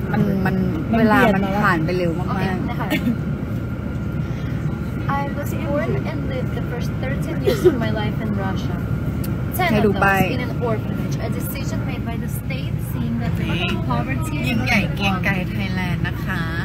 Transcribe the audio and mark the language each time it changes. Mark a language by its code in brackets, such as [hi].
[th] มันเวลามันผ่านไปเร็วมากๆ [en] I was born and lived the first 13 years of my life in Russia. 10 of those in an orphanage, a decision made by the state seeing that we were in poverty. [th] ยิ่งใหญ่เกียงไกรไทยแลนด์นะคะ